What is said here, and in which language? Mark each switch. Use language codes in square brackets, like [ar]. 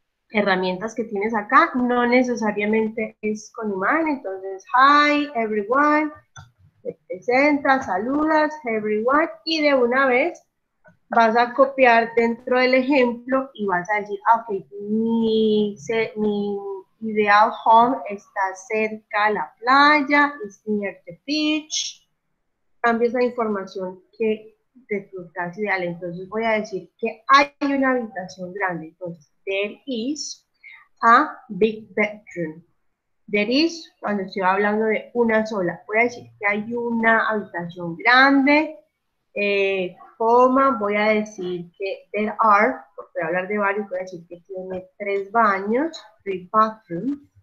[es] herramientas que tienes acá, no necesariamente es con imagen, entonces, [en] hi everyone, [es] te presentas, saludas, everyone, y de una vez, vas a copiar dentro del ejemplo y vas a decir, ok, mi ideal home está cerca a la playa, [en] is near the beach. [es] Cambias la información que de tu casa ideal. Entonces voy a decir que hay una habitación grande. [en] Entonces, there is a big bedroom. [es] There is, cuando estoy hablando de una sola, voy a decir que hay una habitación grande, coma, voy a decir que there are, porque voy a hablar de varios, voy a decir que tiene tres baños, [en] three bathrooms.